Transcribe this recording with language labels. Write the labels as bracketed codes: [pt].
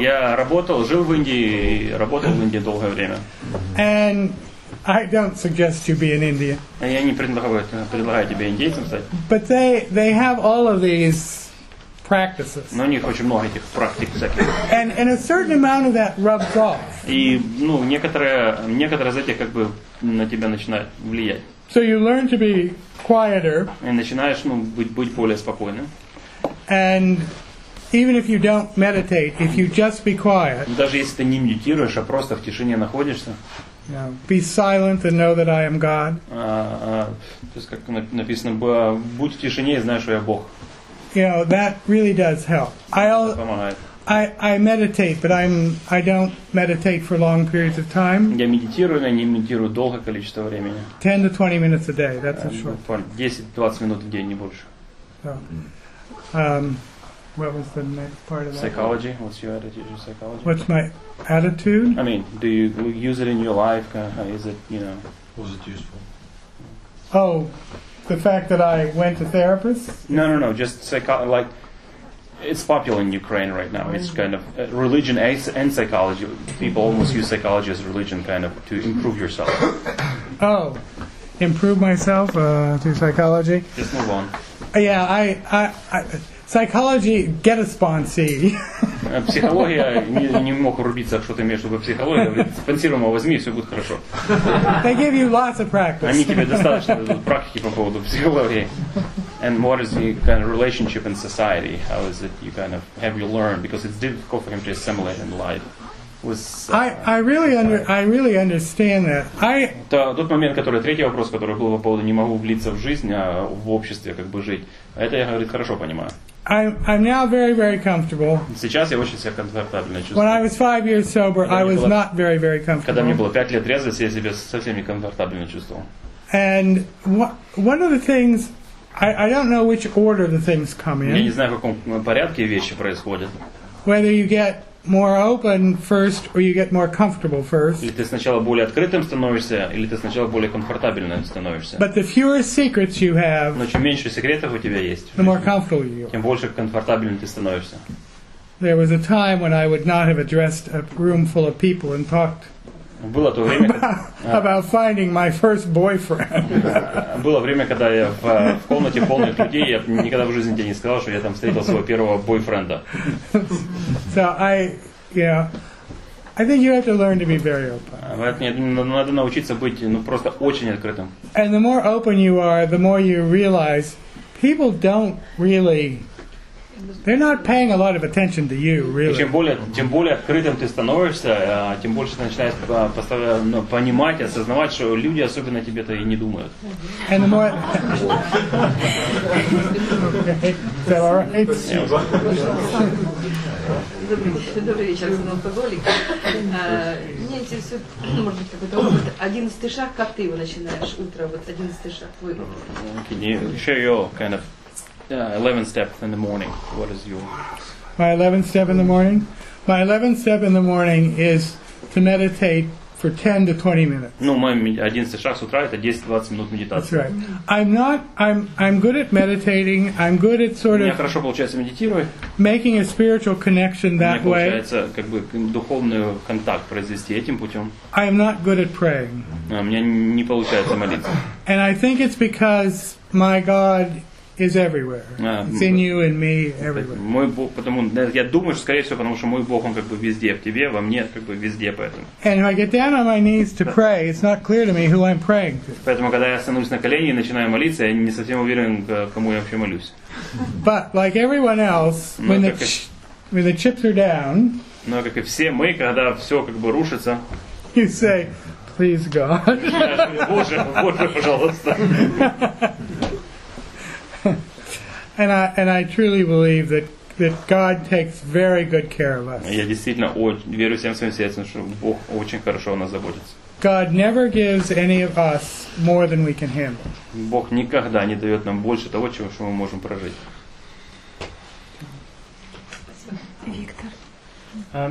[ru] Я работал, жил в Индии, работал в Индии долгое время. [en] And I don't suggest you be an Indian. [ru] Я не предлагаю тебе индейцем стать. [en] But they have all of these practices. [ru] Но у них очень много этих практик всяких. [en] And a certain amount of that rubs off. [ru] И ну некоторые из этих как бы на тебя начинают влиять. [en] So you learn to be quieter. [ru] И начинаешь ну быть более спокойным. [en] And even if you don't meditate, if you just be quiet. [ru] Даже если ты не медитируешь, а просто в тишине находишься. [en] Be silent and know that I am God. [ru] То есть как написано, будь в тишине и знай, что я Бог. [en] You know, that really does help. I meditate, but I don't meditate for long periods of time. [ru] Я медитирую, но не медитирую долгое количество времени. [en] 10 to 20 minutes a day, that's a short. [ru] 10-20 минут в день, не больше. [en] What was the next part of that? Psychology. What's your attitude to psychology? What's my attitude? I mean, do you use it in your life? Is it, you know... Was it useful? Oh, the fact that I went to therapists? No. Just psychology. Like, it's popular in Ukraine right now. It's kind of religion and psychology. People almost use psychology as religion, kind of, to improve yourself. Oh, improve myself through psychology? Just move on. Yeah, psychology, get a sponsee. [ru] Психология не мог рубиться, что ты имеешь в виду психология. Спонсируй его, возьми, все будет хорошо. [en] They give you lots of practice. [ru] Они тебе достаточно практики по поводу психологии. [en] And what is the kind of relationship in society? How is it you kind of have you learned? Because it's difficult for him to assimilate in life. I really understand that. [ru] Это тот момент, который третий вопрос, который был по поводу не могу влиться в жизнь, а в обществе как бы жить. Это я, говорит, хорошо понимаю. [en] I'm now very, very comfortable. [ru] Сейчас я очень себя комфортабельно чувствую. [en] When I was 5 years sober, I was not very, very comfortable. [ru] Когда мне было 5 лет резать, я себя совсем не комфортабельно чувствовал. [en] And one of the things, I don't know which order the things come in. [ru] Я не знаю, в каком порядке вещи происходят. [en] Whether you get more open first, or you get more comfortable first. [ru] Или ты сначала более открытым становишься, или ты сначала более комфортабельным становишься. [en] But the fewer secrets you have, [ru] но чем меньше секретов у тебя есть, [en] the more comfortable you are. [ru] Тем больше комфортабельным ты становишься. [en] There was a time when I would not have addressed a room full of people and talked about finding my first boyfriend. [ru] Было время, когда я в комнате полной людей, я никогда в жизни тебе не сказал, что я там встретил своего первого бойфренда. [en] So I think you have to learn to be very open. [ru] Надо научиться быть, ну, просто очень открытым. [en] And the more open you are, the more you realize people don't really, they're not paying a lot of attention to you, really. [ru] И тем более открытым ты становишься, тем больше ты начинаешь понимать, осознавать, что люди особенно тебе-то и не думают. [en] And the more... Okay. Is that all right? [ru] Добрый вечер, алкоголик. Мне интересует, может быть, какой-то опыт. 11-й шаг, как ты его начинаешь утро? Вот 11-й шаг. [en] Can you share your kind of 11 step in the morning. What is your... My 11th step in the morning? My 11th step in the morning is to meditate for 10 to 20 minutes. [ru] Ну, мой 11 шаг с утра это 10-20 минут медитации. [en] That's right. I'm good at meditating. I'm good at sort of... [ru] Мне хорошо получается медитировать. [en] Making a spiritual connection that way. [ru] Мне получается как бы духовный контакт произвести этим путем. [en] I am not good at praying. [ru] Мне не получается молиться. [en] And I think it's because my God is everywhere. It's in you and me everywhere. [ru] Мой Бог, потому я думаю, скорее всего, потому что мой Бог, он как бы везде, в тебе, во мне, как бы везде, поэтому. [en] And when I get down on my knees to pray, it's not clear to me who I'm praying to. [ru] Поэтому когда я становлюсь на колени и начинаю молиться, я не совсем уверен, кому я вообще молюсь. [en] But like everyone else, when the chips are down, [ru] но как и все мы, когда всё как бы рушится, [en] you say, please God. [ru] Боже, Боже, пожалуйста. [en] And I truly believe that that God takes very good care of us. [ru] Я действительно верю всем своим сердцем, что Бог очень хорошо о нас заботится. [en] God never gives any of us more than we can handle. [ru] Бог никогда не даёт нам больше того, чего мы можем прожить. Виктор.